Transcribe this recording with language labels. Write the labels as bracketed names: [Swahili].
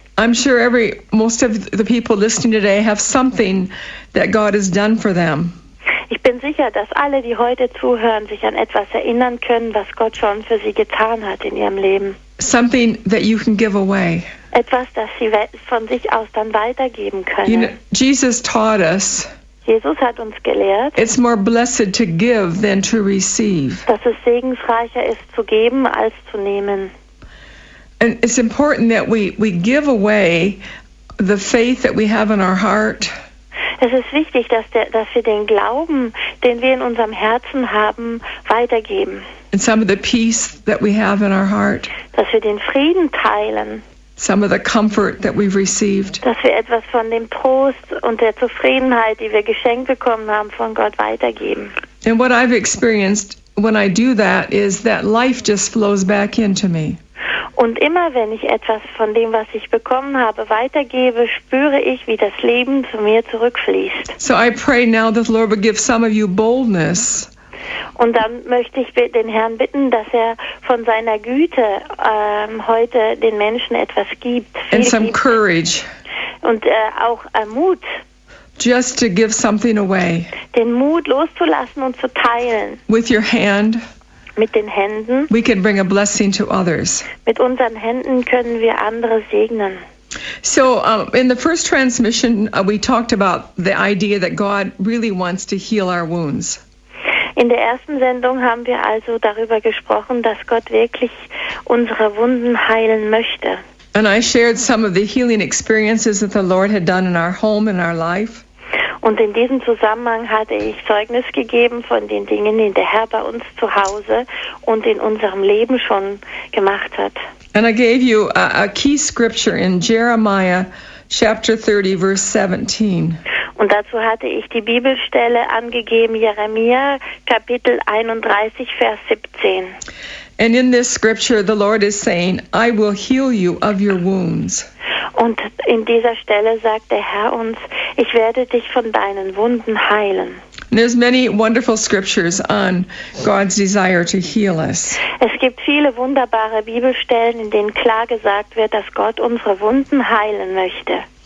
[English] I'm sure most of the people listening today have something that God has done for them. [German] Ich bin sicher, dass alle, die heute zuhören, sich an etwas erinnern können, was Gott schon für sie getan hat in ihrem Leben. [English] Something that you can give away. [German] Etwas, das sie von sich aus dann weitergeben können. [English] You know, Jesus taught us. [German] Jesus hat uns gelehrt. [English] It's more blessed to give than to receive. [German] Dass es segensreicher ist zu geben als zu nehmen. [English] And it's important that we give away the faith that we have in our heart. [German] Es ist wichtig, dass wir den Glauben, den wir in unserem Herzen haben, weitergeben. [English] And some of the peace that we have in our heart. [German] Dass wir den Frieden teilen. [English] Some of the comfort that we've received. [German] Dass wir etwas von dem Trost und der Zufriedenheit, die wir geschenkt bekommen haben, von Gott weitergeben. [English] And what I've experienced when I do that is that life just flows back into me. [German] Und immer wenn ich etwas von dem, was ich bekommen habe, weitergebe, spüre ich, wie das Leben zu mir zurückfließt. [English] So I pray now that the Lord will give some of you boldness. [German] Und dann möchte ich den Herrn bitten, dass er von seiner Güte heute den Menschen etwas gibt. [English] And some courage. [German] Und auch Mut. [English] Just to give something away. [German] Den Mut loszulassen und zu teilen. [English] With your hand. [German] Mit den Händen. [English] We can bring a blessing to others. [German] Mit unseren Händen können wir andere segnen. [English] So in the first transmission we talked about the idea that God really wants to heal our wounds. [German] In der ersten Sendung haben wir also darüber gesprochen, dass Gott wirklich unsere Wunden heilen möchte. [English] And I shared some of the healing experiences that the Lord had done in our home and our life. [German] Und in diesem Zusammenhang hatte ich Zeugnis gegeben von den Dingen, die der Herr bei uns zu Hause und in unserem Leben schon gemacht hat. [English] And I gave you a key scripture in Jeremiah chapter 30, verse 17. [German] Und dazu hatte ich die Bibelstelle angegeben, Jeremia, Kapitel 31, Vers 17. [English] And in this scripture, the Lord is saying, I will heal you of your wounds. [German] Und in dieser Stelle sagt der Herr uns, ich werde dich von deinen Wunden heilen. [English] There's many wonderful scriptures on God's desire to heal us. [German] Es gibt viele wunderbare Bibelstellen, in denen klar gesagt wird, dass Gott unsere Wunden heilen möchte.